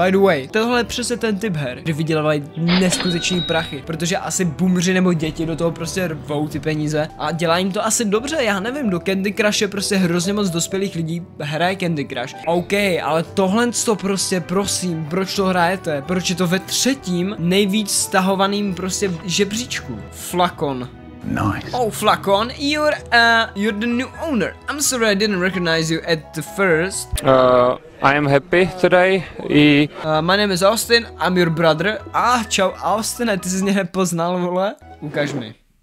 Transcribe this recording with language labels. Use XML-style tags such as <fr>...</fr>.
<en>By the way,</en> <cs>tohle je přesně ten typ her, kde vydělávají neskutečný prachy, protože asi boomři nebo děti do toho prostě rvou ty peníze a dělá jim to asi dobře, já nevím, do Candy Crush je prostě hrozně moc dospělých lidí, hraje Candy Crush. OK, ale tohle to prostě, prosím, proč to hrajete? Proč je to ve třetím nejvíc stahovaným prostě žebříčku? Flakon.</cs> <en>Nice. Oh, Flakon, you're the new owner. I'm sorry I didn't recognize you at the first. I am happy today. My name is Austin, I'm your brother.</en> <cs>Ah, čau, Austin, ty jsi z něj nepoznal, vole? Ukaž mi.</cs>